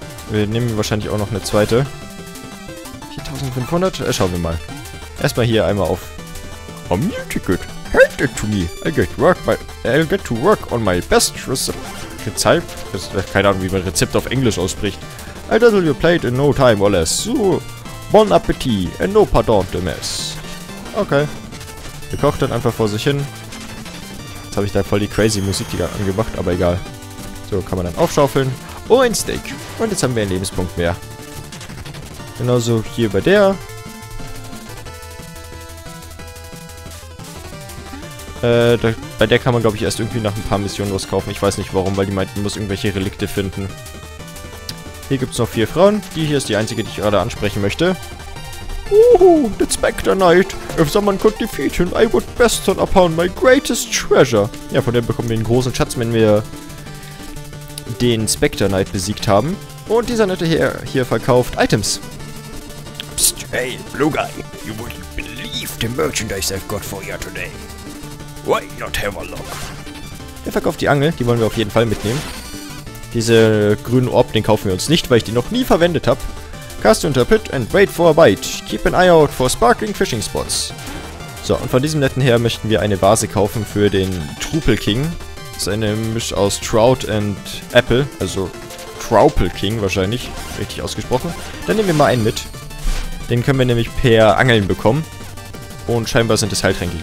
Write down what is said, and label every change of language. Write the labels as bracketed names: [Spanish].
[German] Wir nehmen wahrscheinlich auch noch eine zweite. 4500. Schauen wir mal. Erstmal hier einmal auf. [English] A meal ticket. Hand it to me. I'll get to work on my best recipe. [German] Rezept? Das ist keine Ahnung, wie man Rezept auf Englisch ausspricht. [English] I'll dazzle your plate in no time or less. So. Bon appetit and no pardon de mess. [German] Okay. Wir kochen dann einfach vor sich hin. Jetzt habe ich da voll die crazy Musik angemacht, aber egal. So, kann man dann aufschaufeln. Oh, ein Steak. Und jetzt haben wir einen Lebenspunkt mehr. Genauso hier bei der. Bei der kann man, glaube ich, erst irgendwie nach ein paar Missionen was kaufen. Ich weiß nicht warum, weil die meinten, man muss irgendwelche Relikte finden. Hier gibt es noch 4 Frauen. Die hier ist die einzige, die ich gerade ansprechen möchte. [English] Uhu, the Spectre Knight. If someone could defeat him, I would bestow upon my greatest treasure. [German] Ja, von der bekommen wir einen großen Schatz, wenn wir den Spectre Knight besiegt haben. Und dieser nette Herr hier verkauft Items. [English] Psst, hey, Blue Guy. You wouldn't believe the merchandise I've got for you today. Why not have a look? [German] Der verkauft die Angel, die wollen wir auf jeden Fall mitnehmen. Diese grünen Orb, den kaufen wir uns nicht, weil ich die noch nie verwendet habe. [English] Cast into a pit and wait for a bite. Keep an eye out for sparkling fishing spots. [German] So, und von diesem netten Herr möchten wir eine Vase kaufen für den Trupel King. Das ist eine Mischung aus Trout and Apple, also Trupel King wahrscheinlich, richtig ausgesprochen. Dann nehmen wir mal einen mit. Den können wir nämlich per Angeln bekommen. Und scheinbar sind es Heiltränke.